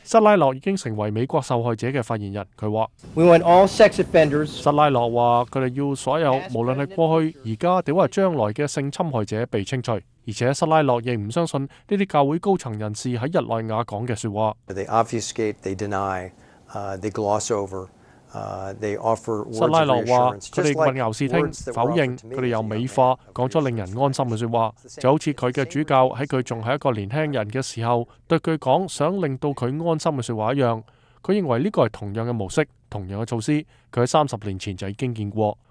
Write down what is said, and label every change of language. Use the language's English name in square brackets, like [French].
[Chinese] 塞拉洛已经成为美国受害者的发言人。他说 [English] We want all sex offenders. [Chinese] 塞拉洛说，他们要所有无论是过去、现在或将来的性侵害者被清除。而且塞拉洛亦不相信这些教会高层人士在日内瓦讲的说话。 [English] They obfuscate, they deny, they gloss over, they offer words of reassurance. [Chinese] 塞拉洛说，他们混淆视听、否认，他们又美化，讲出令人安心的说话，就好像他的主教在他还是一个年轻人的时候对他讲想令到他安心的说话一样。他认为这个是同样的模式、同样的措施，他在30年前就已经见过。